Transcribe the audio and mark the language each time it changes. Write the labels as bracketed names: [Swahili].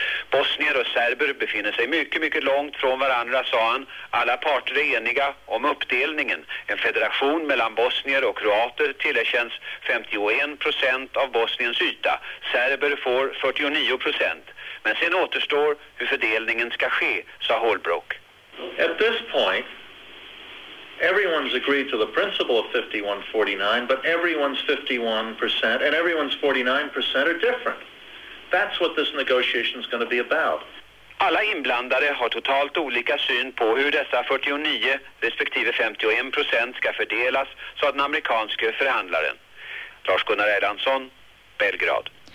[Swedish] Bosnier och serber befinner sig mycket, mycket långt från varandra, sa han. Alla parter är eniga om uppdelningen. En federation mellan bosnier och kroater tillerkänns 51% av Bosniens yta. Serber får 49%. Men sen återstår hur fördelningen ska ske, sa Holbrooke. [English] At this point, everyone's agreed to the principle of 51-49, but everyone's 51% and everyone's 49% are different. That's what this negotiation is going to be about. [Swedish] Alla inblandade har totalt olika syn på hur dessa 49 respektive 51% ska fördelas, sa den amerikanske förhandlaren. Lars-Gunnar Erlandsson, Belgrad.